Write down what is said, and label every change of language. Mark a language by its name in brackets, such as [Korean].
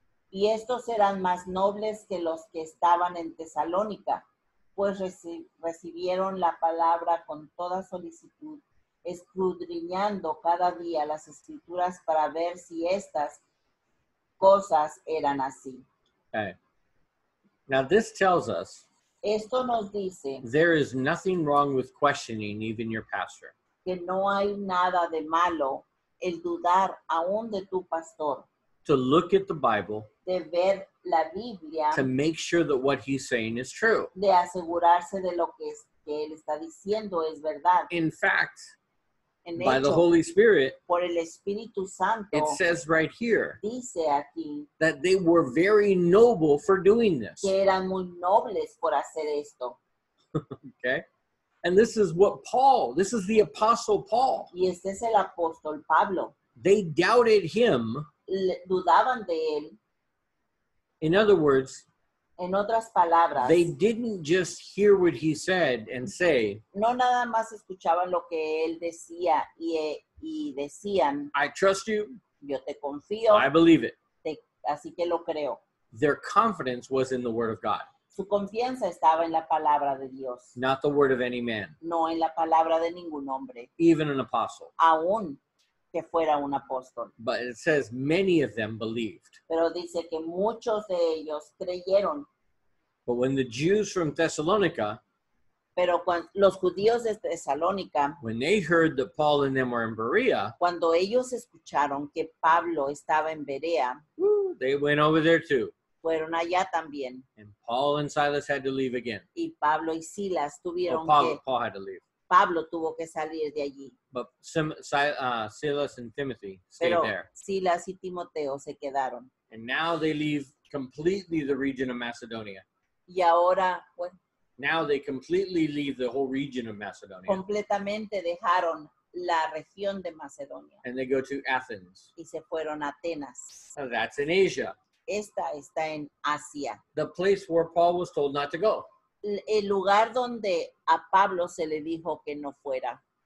[Spanish] Y estos eran más nobles que los que estaban en Tesalónica. Pues recibieron la palabra con toda solicitud, escudriñando cada día las escrituras para ver si estas cosas eran así. [English] Okay. Now this tells us. [Spanish] Esto nos dice. [English] There is nothing wrong with questioning even your pastor. [Spanish] Que no hay nada de malo el dudar aún de tu pastor. [English] To look at the Bible. [Spanish] De ver la Biblia, [English] to make sure that what he's saying is true. [Spanish] De asegurarse de lo que, es, que él está diciendo es verdad. [English] In fact, [Spanish] en [English] by [Spanish] hecho, [English] the Holy Spirit, [Spanish] por el Espíritu Santo, [English] it says right here, [Spanish] dice aquí, [English] that they were very noble for doing this. [Spanish] Que eran muy nobles por hacer esto. [English] Okay. And this is what Paul, this is the Apostle Paul. [Spanish] Y este es el Apóstol Pablo. [English] They doubted him. [Spanish] Dudaban de él. [English] In other words, [Spanish] en otras palabras, [English] they didn't just hear what he said and say, [Spanish] no nada más escuchaban lo que él decía y decían, [English] I trust you, [Spanish] yo te confío, [English] I believe it. [Spanish] Así que lo creo. [English] Their confidence was in the word of God. [Spanish] Su confianza estaba en la palabra de Dios. [English] Not the word of any man. [Spanish] No en la palabra de ningún hombre. [English] Even an apostle. [Spanish] Aún. Que fuera un apóstol. [English] But it says many of them believed. [Spanish] Pero dice que muchos de ellos creyeron. [English] But when the Jews from Thessalonica, [Spanish] pero cuando los judíos de Tesalónica, [English] when they heard that Paul and them were in Berea, [Spanish] cuando ellos escucharon que Pablo estaba en Berea, [English] they went over there too. [Spanish] Fueron allá también. [English] And Paul and Silas had to leave again. [Spanish] Y Pablo y Silas tuvieron [English] Paul had to leave. [Spanish] Pablo tuvo que salir de allí. [English] But Silas and Timothy stayed [Spanish] pero [English] there. [Spanish] Silas y Timoteo se quedaron. [English] And now they leave completely the region of Macedonia. [Spanish] Y ahora, pues, [English] now they completely leave the whole region of Macedonia. [Spanish] Completamente dejaron la región de Macedonia. [English] And they go to Athens. [Spanish] Y se fueron a Atenas. [English] So that's in Asia. [Spanish] Esta está en Asia. [English] The place where Paul was told not to go. [Spanish] El lugar donde a Pablo se le dijo que no fuera.